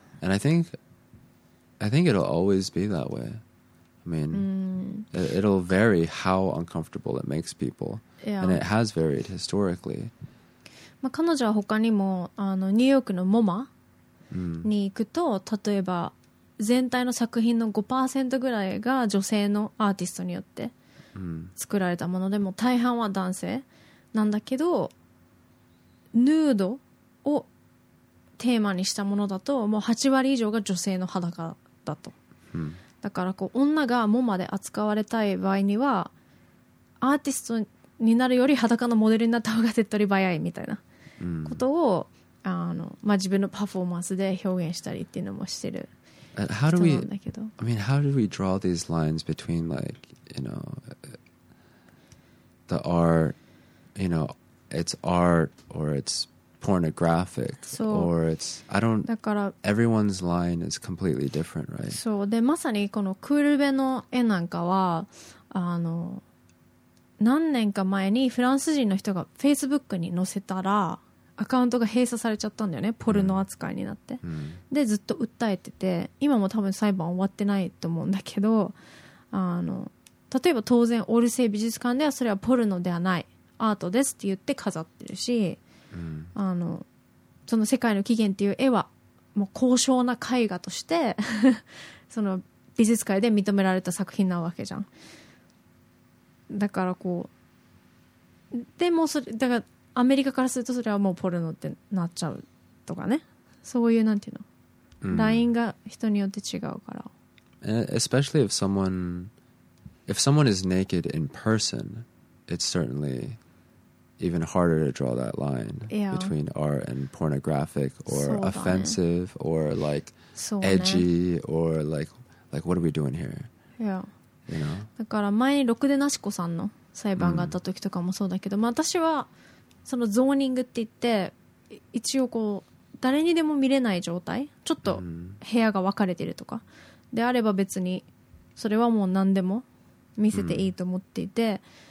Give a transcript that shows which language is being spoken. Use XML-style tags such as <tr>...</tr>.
<en>and I think it'll always be that way. I mean, it'll vary how uncomfortable it makes people, yeah. And it has varied historically.</en> <ja>まあ、彼女は他にもニューヨークのMOMAに行くと、例えば全体の作品の 5% ぐらいが女性のアーティストによって作られたもので、も大半は男性なんだけど。ヌードをテーマにしたものだともう8割以上が女性の裸だと、だからこう女がモマで扱われたい場合にはアーティストになるより裸のモデルになった方が手っ取り早いみたいなことを、まあ、自分のパフォーマンスで表現したりっていうのもしてる人なんだけど、</ja> <en>I mean, how do we draw these lines between like, you know, the art, you knowIt's art or it's pornographic or it's I don't.</en> <ja>だから</ja> <en>everyone's line is completely different, right?</en> <ja>そうで、まさにこのクールベの絵なんかは何年か前にフランス人の人が Facebook に載せたらアカウントが閉鎖されちゃったんだよね。ポルノ扱いになって、でずっと訴えてて、今も多分裁判終わってないと思うんだけど、例えば当然オルセー美術館ではそれはポルノではない。アートですって言って飾ってるし、その世界の起源っていう絵はもう高尚な絵画としてその美術界で認められた作品なわけじゃん。だからこうでもそれだからアメリカからするとそれはもうポルノってなっちゃうとかね、そういうなんていうの、ラインが人によって違うから、</ja> <en>especially if someone is naked in personIt's certainly even harder to draw that line between art and pornographic or offensive or like edgy or like what are we doing here? Yeah. You know?</en> <ja>だから前にろくでなし子さんの裁判があった時とかもそうだけど、うん、まあ、私はそのゾーニングって言って一応こう誰にでも見れない状態、ちょっと部屋が分かれてるとかであれば別にそれはもう何でも見せていいと思っていて、</ja>